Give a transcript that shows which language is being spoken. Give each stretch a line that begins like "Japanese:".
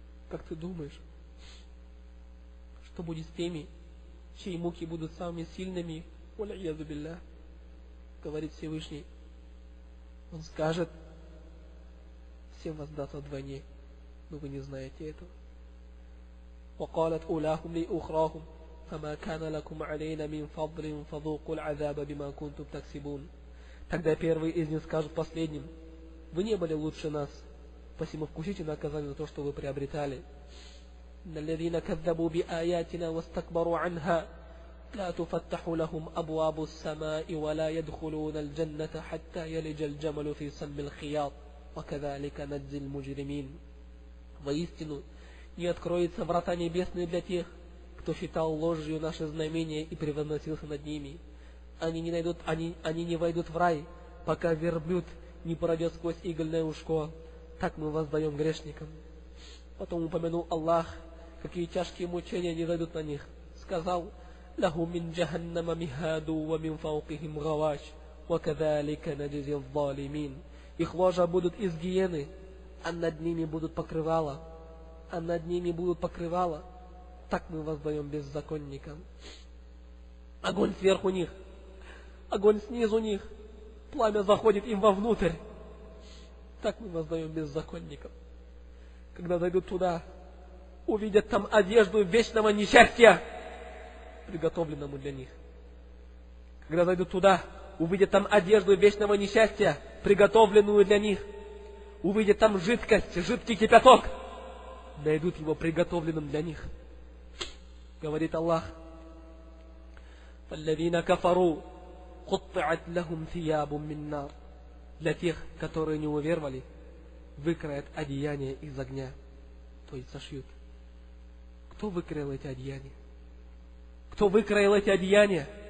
Russian: Как ты думаешь, что будет с теми, чьи муки будут самыми сильными?
Arabic: Валь-ъяъзу биллях,
Russian: говорит Всевышний. Он скажет: всем воздастся вдвойне, но вы не знаете этого.
Arabic: وقالت أولاهم لأخراهم فما كان لكم علينا من فضل فذوقوا العذاب بما كنتم تكسبون.
Russian: Тогда первый из них скажет последним: вы не были лучше нас, посему вкусите наказание за то, что вы приобретали.
Arabic: الذين كذبوا بآياتنا واستكبروا عنها لا تفتح لهم أبواب السماء ولا يدخلون الجنة حتى يلج الجمل في سم الخياط وكذلك نجزي المجرمين.
Russian: Воистину, не откроются врата небесные для тех, кто считал ложью наши знамения и превозносился над ними. Они не войдут в рай, пока верблюд не пройдет сквозь игольное ушко. Так мы воздаем грешникам. Потом упомянул Аллах, какие тяжкие мучения не зайдут на них. Сказал:
Arabic: لَهُمْ مِنْ جَهَنَّمَ مِهَادُ وَمِنْ فَوْقِهِمْ غَوَاشْ وَكَذَلِكَ نَجْزِي الظَّالِمِينَ.
Russian: Их ложа будут из гиены, а над ними будут покрывала. А над ними будут покрывала. Так мы воздаем беззаконникам. Огонь сверху них, огонь снизу них, пламя заходит им вовнутрь. Так мы воздаем беззаконникам. Когда зайдут туда, увидят там одежду вечного несчастья, приготовленному для них. Когда зайдут туда, увидят там одежду вечного несчастья, приготовленную для них. Увидят там жидкость, жидкий кипяток. Найдут его приготовленным для них. Говорит Аллах:
Arabic: فَالَّذِينَ كَفَرُوا قُطِّعَتْ لَهُمْ ثِيَابٌ مِّنْ نَارٍ.
Russian: Для тех, которые не уверовали, выкроят одеяние из огня, то есть сошьют. Кто выкроил эти одеяния? Кто выкроил эти одеяния?